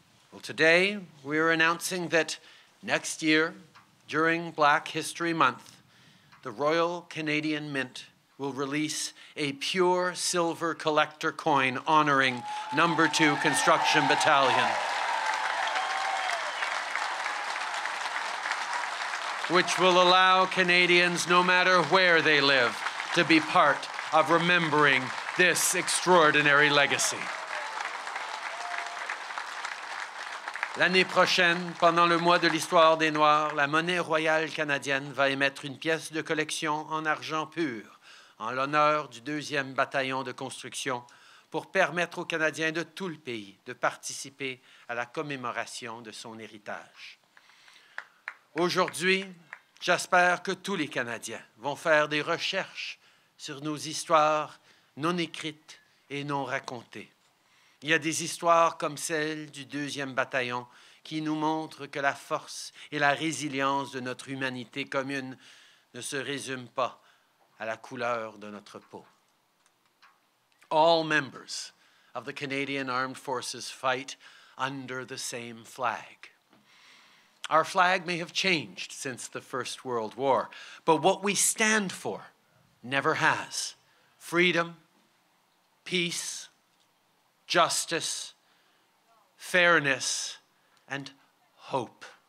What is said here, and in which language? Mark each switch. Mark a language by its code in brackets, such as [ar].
[en] Well, today, we are announcing that next year, during Black History Month, the Royal Canadian Mint will release a pure silver collector coin honoring Number 2 Construction Battalion, which will allow Canadians, no matter where they live, to be part of remembering this extraordinary legacy. [fr] L'année prochaine, pendant le mois de l'histoire des Noirs, la monnaie royale canadienne va émettre une pièce de collection en argent pur, en l'honneur du 2e bataillon de construction, pour permettre aux Canadiens de tout le pays de participer à la commémoration de son héritage. Aujourd'hui, j'espère que tous les Canadiens vont faire des recherches sur nos histoires non écrites et non racontées. Il y a des histoires comme celle du 2e bataillon qui nous montrent que la force et la résilience de notre humanité commune ne se résument pas à la couleur de notre peau. [en] All members of the Canadian Armed Forces fight under the same flag. Our flag may have changed since the First World War, but what we stand for never has. Freedom, peace, justice, fairness, and hope.